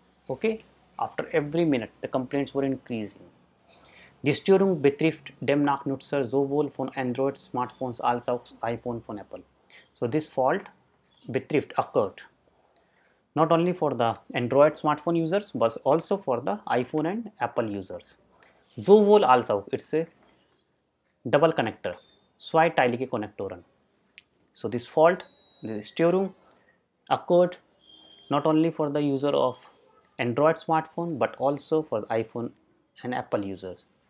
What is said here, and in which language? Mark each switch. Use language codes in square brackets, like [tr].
[en] Okay, after every minute, the complaints were increasing. [de] Die Störung betrifft demnach Nutzer sowohl von Android smartphones als auch iPhone von Apple. [en] So this fault betrifft occurred not only for the Android smartphone users but also for the iPhone and Apple users. [de] Sowohl als auch, [en] it's a double connector. [de] Zweiteilige Konnektoren. [en] So this fault, this Störung occurred not only for the user of Android smartphone but also for the iPhone and Apple users.